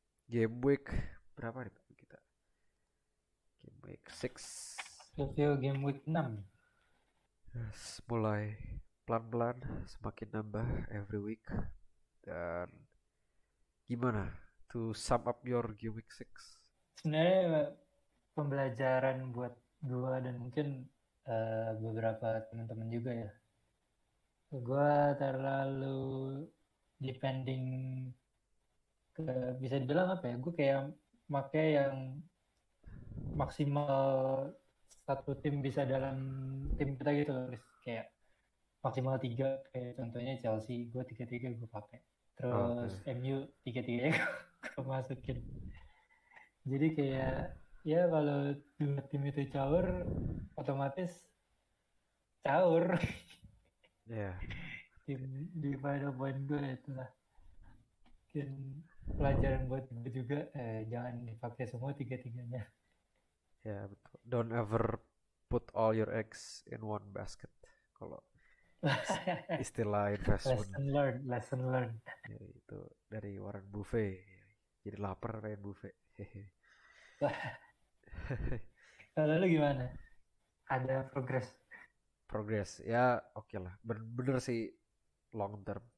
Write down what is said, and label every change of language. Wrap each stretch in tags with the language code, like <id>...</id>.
<id>Game week berapa nih kita? Game week 6.</id> <en>Review game week 6.</en> <id>Yes, mulai pelan-pelan semakin nambah</id> <en>every week.</en> <id>Dan gimana</id> <en>to sum up your game week 6?</en> <id>Sebenarnya pembelajaran buat gue dan mungkin beberapa teman-teman juga ya. Gue terlalu depending ke, bisa dibilang apa ya, gue kayak make yang maksimal satu tim bisa dalam tim kita gitu loh, kayak maksimal tiga, kayak contohnya Chelsea gue 3-3 gue pakai, Oke. terus MU 3-3 gue masukin. Jadi kayak ya kalau dua tim itu caur otomatis caur Ya. tim di final point gue, itulah mungkin pelajaran buat gue juga, jangan dipakai semua tiga-tiganya. Ya, betul.</id> <en>Don't ever put all your eggs in one basket.</en> <id>Kalau istilah investment.</id> <en>Lesson learned, lesson learned.</en> <id>Ya, itu dari Warren Buffett. Jadi lapar kayak Buffett. Lalu gimana? Ada progres? Progress. Ya, oke okay lah. Bener-bener sih long term.</id>